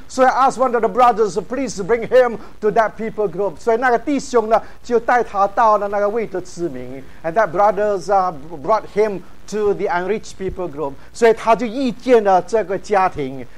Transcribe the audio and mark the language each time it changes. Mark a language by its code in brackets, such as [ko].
[en] 所以 ask one of the brothers, please bring him to that people group. [zh] 所以那个弟兄呢，就带他到了那个未得之民。 [en] And that brothers brought him to the unreached people group. [zh] 所以他就遇见了这个家庭。